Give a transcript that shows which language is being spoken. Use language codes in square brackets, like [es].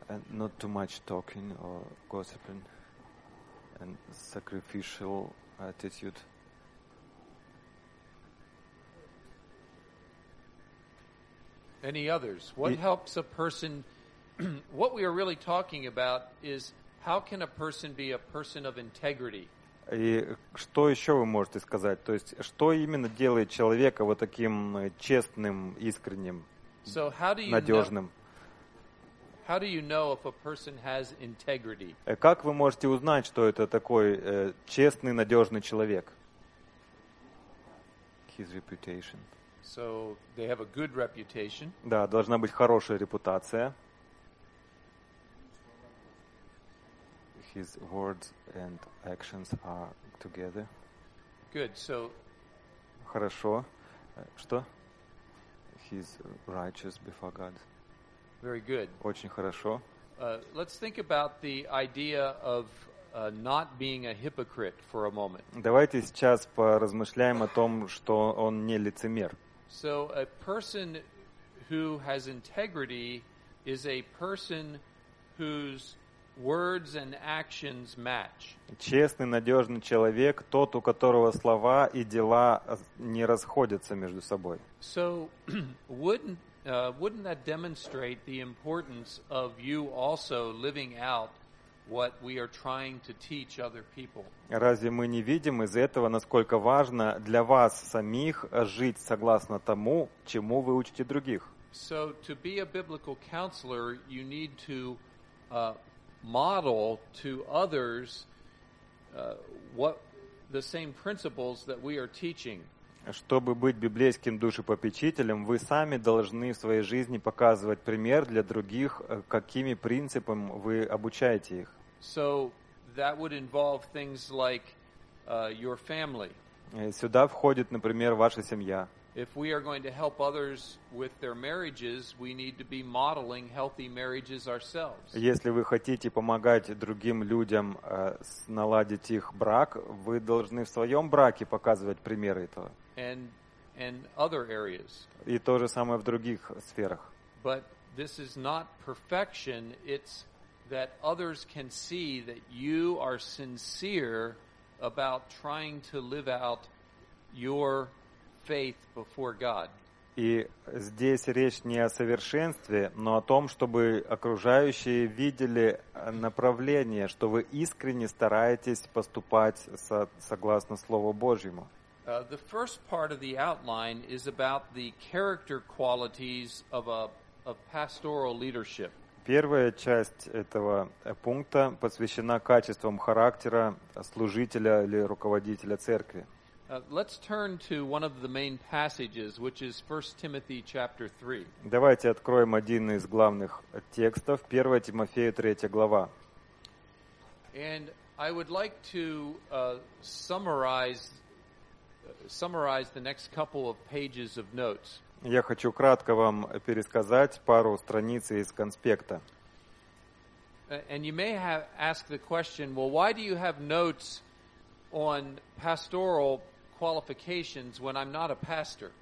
[en] Not too much talking or gossiping, and sacrificial attitude. Any others? Helps a person? What we are really talking about is how can a person be a person of integrity? [ru] И что еще вы можете сказать? То есть, что именно делает человека вот таким честным, искренним, надежным? [en] How do you know if a person has integrity? [ru] Как вы можете узнать, что это такой честный, надежный человек? [en] His reputation. So they have a good reputation. [ru] Да, должна быть хорошая репутация. [en] His words and actions are together. Good. So. [ru] Хорошо. Что? [en] He's righteous before God. Very good. [ru] Очень хорошо. [en] Let's think about the idea of not being a hypocrite for a moment. [ru] Давайте сейчас поразмышляем о том, что он не лицемер. [en] So a person who has integrity is a person whose words and actions match. [ru] Честный, надежный человек, тот, у которого слова и дела не расходятся между собой. [en] So wouldn't that demonstrate the importance of you also living out what we are trying to teach other people? [ru] Разве мы не видим из этого, насколько важно для вас самих жить согласно тому, чему вы учите других? [en] So to be a biblical counselor, you need to model to others what the same principles that we are teaching. [ru] Чтобы быть библейским душепопечителем, вы сами должны в своей жизни показывать пример для других, какими принципами вы обучаете их. [en] So that would involve things like your family. [ru] Сюда входит, например, ваша семья. [en] If we are going to help others with their marriages, we need to be modeling healthy marriages ourselves. [ru] Если вы хотите помогать другим людям наладить их брак, вы должны в своем браке показывать примеры этого. [en] And other areas. [ru] И то же самое в других сферах. [en] But this is not perfection. It's that others can see that you are sincere about trying to live out your faith before God. [ru] И здесь речь не о совершенстве, но о том, чтобы окружающие видели направление, что вы искренне стараетесь поступать согласно Слову Божьему. [en] The first part of the outline is about the character qualities of pastoral leadership. [ru] Первая часть этого пункта посвящена качествам характера служителя или руководителя церкви. [en] Let's turn to one of the main passages, which is 1 Timothy chapter 3. [ru] Давайте откроем один из главных текстов, 1 Тимофею 3 глава. [en] And I would like to summarize the next couple of pages of notes. [ru] Я хочу кратко вам пересказать пару страниц из конспекта. [en] And you may have asked the question, well, why do you have notes on pastoral qualifications when I'm not a pastor?